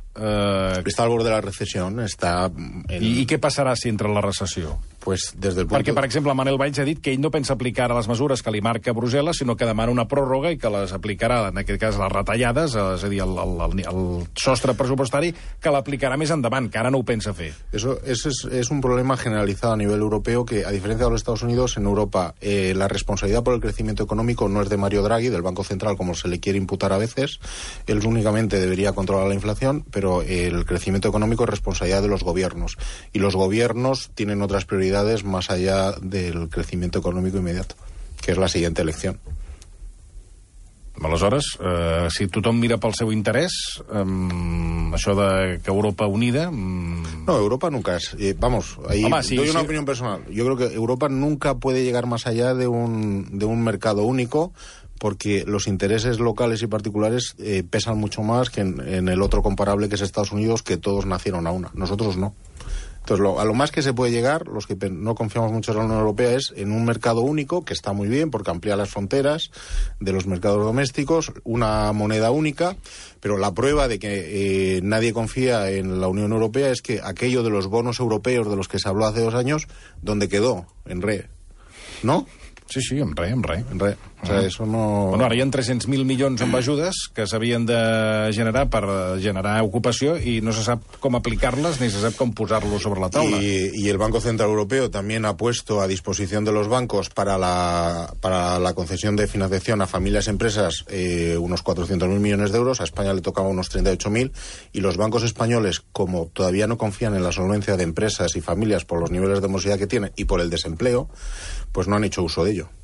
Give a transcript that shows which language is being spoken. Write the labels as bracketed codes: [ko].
[es] Está al borde de la recesión, ¿Y qué pasará si entra en la recesión? Pues desde el punto... [ca] Perquè, per exemple, Manel Valls ha dit que ell no pensa aplicar les mesures que li marca Brussel·les, sinó que demana una pròrroga i que les aplicarà, en aquest cas, les retallades, és a dir, el sostre pressupostari, que l'aplicarà més endavant, que ara no ho pensa fer. [es] Eso es un problema generalizado a nivel europeo, que a diferencia de los Estados Unidos, en Europa la responsabilidad por el crecimiento económico no es de Mario Draghi, del Banco Central, como se le quiere imputar a veces. Él únicamente debería controlar la inflación, pero el crecimiento económico es responsabilidad de los gobiernos. Y los gobiernos tienen otras prioridades más allá del crecimiento económico inmediato, que es la siguiente elección. [ca] Aleshores, si tothom mira pel seu interès, això de que Europa unida... [es] No, Europa nunca es... vamos, ahí doy una opinión personal. Yo creo que Europa nunca puede llegar más allá de un mercado único, porque los intereses locales y particulares pesan mucho más que en el otro comparable, que es Estados Unidos, que todos nacieron a una. Nosotros no. Entonces, a lo más que se puede llegar, los que no confiamos mucho en la Unión Europea, es en un mercado único, que está muy bien porque amplía las fronteras de los mercados domésticos, una moneda única, pero la prueba de que nadie confía en la Unión Europea es que aquello de los bonos europeos de los que se habló hace 2 años, ¿dónde quedó? En re. ¿No? Sí, sí, en re, en re. En re. O sea, eso no... [ca] Bueno, ara hi ha 300.000 milions amb ajudes que s'havien de generar per generar ocupació i no se sap com aplicar-les ni se sap com posar-los sobre la taula. [es] Y el Banco Central Europeo también ha puesto a disposición de los bancos para la concesión de financiación a familias y empresas unos 400.000 millones de euros. A España le tocaba unos 38.000. Y los bancos españoles, como todavía no confían en la solvencia de empresas y familias por los niveles de morosidad que tienen y por el desempleo, pues no han hecho uso de ello.